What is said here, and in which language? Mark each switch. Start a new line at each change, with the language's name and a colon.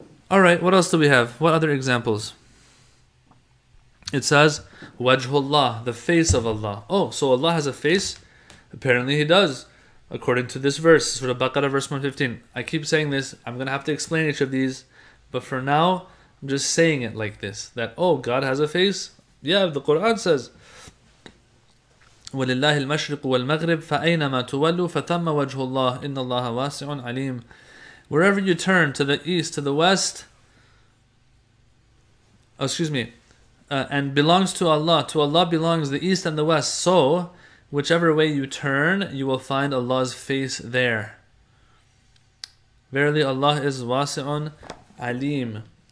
English: All right, what else do we have? What other examples? It says, Wajhullah, the face of Allah. Oh, so Allah has a face? Apparently he does. According to this verse, Surah Baqarah, verse 115. I keep saying this. I'm going to have to explain each of these. But for now, I'm just saying it like this, that, oh, God has a face? Yeah, the Quran says,
Arabic: وَلِلَّهِ الْمَشْرِقُ وَالْمَغْرِبُ فَأَيْنَمَا تُوَلُّوا فَثَمَّ وَجْهُ اللَّهِ إِنَّ اللَّهَ وَاسِعٌ عَلِيمٌ.
English: Wherever you turn, to the east, to the west, excuse me, and belongs to Allah. To Allah belongs the east and the west. So, whichever way you turn, you will find Allah's face there. Verily, Allah is wasi'un Alim.